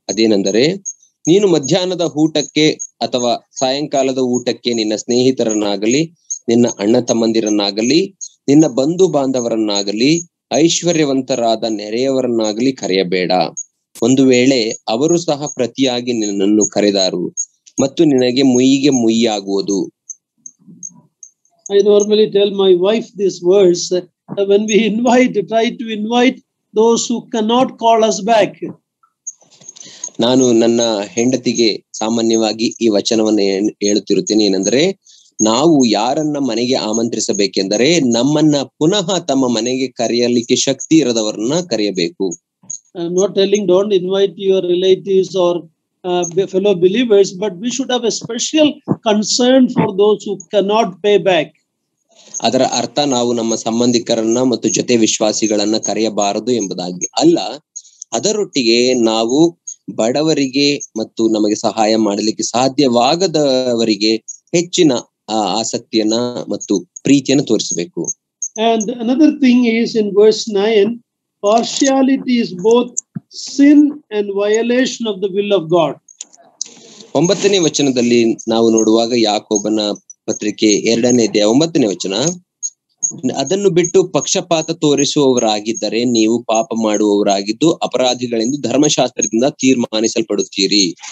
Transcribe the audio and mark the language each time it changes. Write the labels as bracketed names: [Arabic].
[Kannada] ಅದೇನೆಂದರೆ, ನೀನು ಮಧ್ಯಾಹ್ನದ ಊಟಕ್ಕೆ ಅಥವಾ ಸಾಯಂಕಾಲದ ಊಟಕ್ಕೆ ನಿನ್ನ ಸ್ನೇಹಿತರನ್ನಾಗಲಿ, ನಿನ್ನ ಅಣ್ಣ ತಮ್ಮಂದಿರನ್ನಾಗಲಿ, ನಿನ್ನ ಬಂಧು ಬಾಂಧವರನ್ನಾಗಲಿ, ಐಶ್ವರ್ಯವಂತರಾದ ನೆರೆಯವರನ್ನಾಗಲಿ ಕರೆಯಬೇಡ. ಒಂದು ವೇಳೆ ಅವರು ಸಹ ಪ್ರತಿಯಾಗಿ ನಿನ್ನನ್ನು ಕರೆದಾರು, ಮತ್ತು ನಿನಗೆ ಮುಯ್ಯಿಗೆ ಮುಯ್ಯಾಗುವುದು. [English] I normally tell my wife these words when we try to invite those who cannot call us back. [Kannada] ನಾನು ನನ್ನ ಹೆಂಡತಿಗೆ ಸಾಮಾನ್ಯವಾಗಿ ಈ ವಚನವನ್ನು ಹೇಳುತ್ತಿರುತ್ತೇನೆ. ಏನಂದ್ರೆ, ನಾವು ಯಾರನ್ನ ಮನೆಗೆ ಆಮಂತ್ರಿಸಬೇಕೆಂದರೆ ನಮ್ಮನ್ನ ಪುನಃ ತಮ್ಮ ಮನೆಗೆ ಕರೆಯಲಿಕ್ಕೆ ಶಕ್ತಿ ಇರದವರನ್ನ ಕರೆಯಬೇಕು. [English] I'm not telling don't invite your relatives or fellow believers, but we should have a special concern for those who cannot pay back. [Kannada] ಅದರ ಅರ್ಥ ನಾವು ನಮ್ಮ ಸಂಬಂಧಿಕರನ್ನ ಮತ್ತು ಜೊತೆ ವಿಶ್ವಾಸಿಗಳನ್ನ ಕರೆಯಬಾರದು ಎಂಬುದಾಗಿ ಅಲ್ಲ. ಅದರೊಟ್ಟಿಗೆ ನಾವು ಬಡವರಿಗೆ ಮತ್ತು ನಮಗೆ ಸಹಾಯ ಮಾಡಲಿಕ್ಕೆ ಸಾಧ್ಯವಾಗದವರಿಗೆ ಹೆಚ್ಚಿನ ಆಸಕ್ತಿಯನ್ನ ಮತ್ತು ಪ್ರೀತಿಯನ್ನು ತೋರಿಸಬೇಕು. [English] And another thing is in verse 9, partiality is both sin and violation of the will of God. [Kannada] ಒಂಬತ್ತನೇ ವಚನದಲ್ಲಿ ನಾವು ನೋಡುವಾಗ, ಯಾಕೋಬನ ಪತ್ರಿಕೆ ಎರಡನೇ ಅಧ್ಯಾಯ ಒಂಬತ್ತನೇ ವಚನ, ಅದನ್ನು ಬಿಟ್ಟು ಪಕ್ಷಪಾತ ತೋರಿಸುವವರಾಗಿದ್ದರೆ ನೀವು ಪಾಪ ಮಾಡುವವರಾಗಿದ್ದು ಅಪರಾಧಿಗಳೆಂದು ಧರ್ಮಶಾಸ್ತ್ರದಿಂದ ತೀರ್ಮಾನಿಸಲ್ಪಡುತ್ತೀರಿ.